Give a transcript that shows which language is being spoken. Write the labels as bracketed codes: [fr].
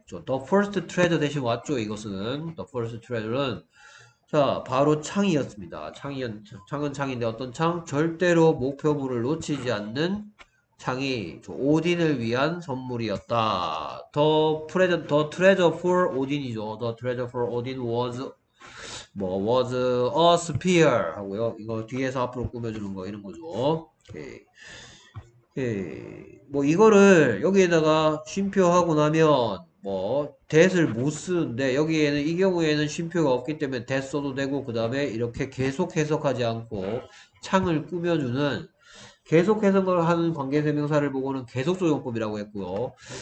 [ko] 저 The First Treasure 대신 왔죠. 이것은 The First Treasure는 자 바로 창이었습니다. 창은 창인데 어떤 창? 절대로 목표물을 놓치지 않는 창이 저 오딘을 위한 선물이었다. [en] The Treasure for Odin이죠. The Treasure for Odin was a spear [ko] 하고요. 이거 뒤에서 앞으로 꾸며주는 거 이런 거죠. 오케이. 뭐 이거를 여기에다가 쉼표 하고 나면 뭐 that을 못 쓰는데 여기에는 이 경우에는 쉼표가 없기 때문에 that 써도 되고 그 다음에 이렇게 계속 해석하지 않고 창을 꾸며주는 계속 해석을 하는 관계대명사를 보고는 계속 적용법이라고 했고요.